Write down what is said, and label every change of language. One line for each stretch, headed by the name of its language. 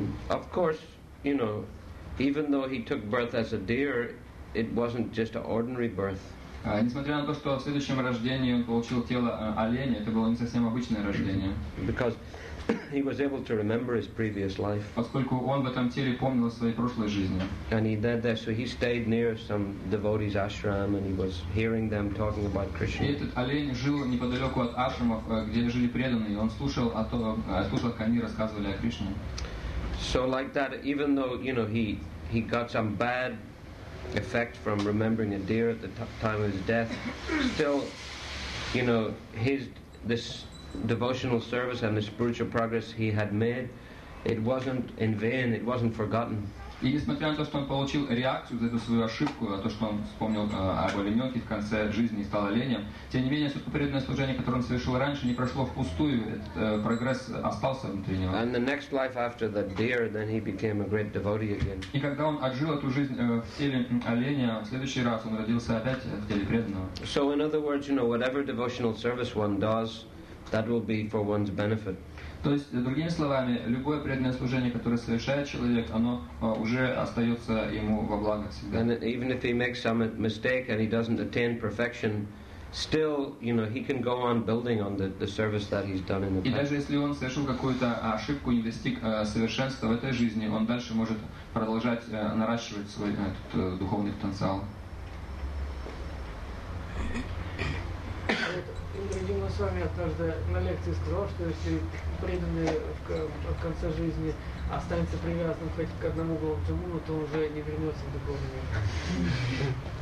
English: Of course, you know, even though he took birth as a deer, it wasn't just an ordinary birth.
Russian: Несмотря на то, что в следующем рождении он получил тело оленя, это было не совсем обычное рождение.
English: Because he was able to remember his previous life.
Russian: Поскольку он в этом теле помнил свои прошлые жизни.
English: And he did that, so he stayed near some devotees' ashram, and he was hearing them talking about Krishna.
Russian: И этот олень жил неподалеку от ашрамов, где жили преданные. Он слушал о том, слушал, как они рассказывали о Кришне.
English: So like that, even though you know he got some bad effect from remembering a deer at the time of his death, still, you know, this devotional service and the spiritual progress he had made, it wasn't in vain, it wasn't forgotten.
Russian: И несмотря на то, что он получил реакцию за эту свою ошибку, то, что он вспомнил об олененке в конце жизни и стал оленем, тем не менее, преданное служение, которое он совершил раньше, не прошло впустую, прогресс остался внутри него.
English: And the next life after the deer, then he became a great devotee again.
Russian: И когда он отжил эту жизнь в теле оленя, в следующий раз он родился опять в теле преданного.
English: So in other words, you know, whatever devotional service one does, that will be for one's benefit.
Russian: То есть, другими словами, любое преданное служение, которое совершает человек, оно уже остается ему во благо всегда.
English: And even if he makes some mistake and he doesn't attain perfection, still, you know, he can go on building on the service that he's done in the past.
Russian: И даже если он совершил какую-то ошибку, не достиг совершенства в этой жизни, он дальше может продолжать наращивать свой этот духовный потенциал. Дима с вами однажды на лекции сказал, что если преданный в конце жизни останется привязанным хоть к одному Голубцуму, то он уже не вернется в духовный мир.